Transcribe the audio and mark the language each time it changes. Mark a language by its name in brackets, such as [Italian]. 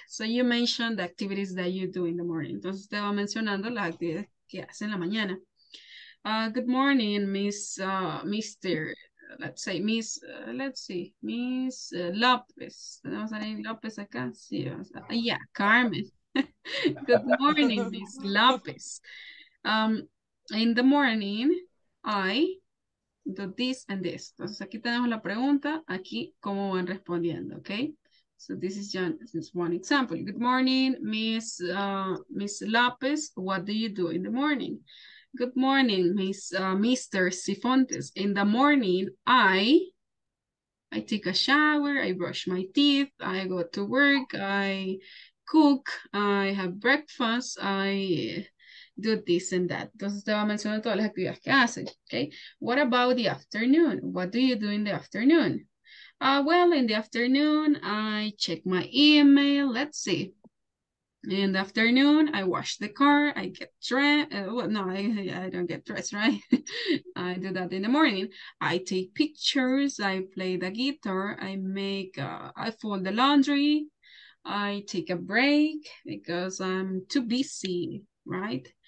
[English] So you mentioned the activities that you do in the morning. [Spanish] Entonces usted va mencionando las actividades que hace en la mañana. [English] Good morning, Miss López. [Spanish] ¿Tenemos a López acá? Sí, o sea, [English] yeah, Carmen. Good morning, Miss López. In the morning, I do this and this. [Spanish] Entonces, aquí tenemos la pregunta, aquí cómo van respondiendo, okay? [English] So this is just one example. Good morning, Miss López. What do you do in the morning? Good morning, Mr. Cifontes. In the morning, I take a shower, I brush my teeth, I go to work, I cook, I have breakfast, I do this and that. [Spanish] Entonces te va mencionando todas las actividades que haces, okay? [English] What about the afternoon? What do you do in the afternoon? Well, in the afternoon, I check my email, let's see. In the afternoon, I wash the car, I get I don't get dressed, right? I do that in the morning. I take pictures, I play the guitar, I fold the laundry, I take a break because I'm too busy, right?